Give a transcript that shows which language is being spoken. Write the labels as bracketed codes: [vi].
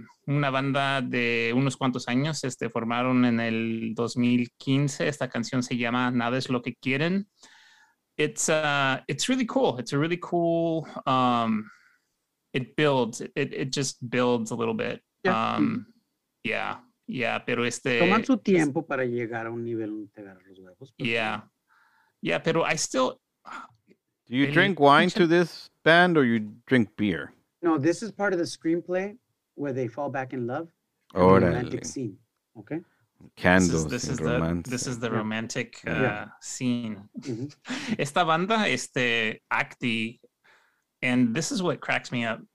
[es] Una banda de unos cuantos años, formaron en el 2015. Esta canción se llama Nada es lo que quieren. [en] It's really cool. It's a really cool, it just builds a little bit. [es] Pero toman su tiempo para llegar a un nivel de agarrar los huevos. [en] Pero I still... Do you drink wine to this band or you drink beer? No, this is part of the screenplay. Where they fall back in love, oh, the romantic scene. Okay, candles. This is the romantic scene. Mm-hmm. [es] Esta banda, [en] acti, and this is what cracks me up.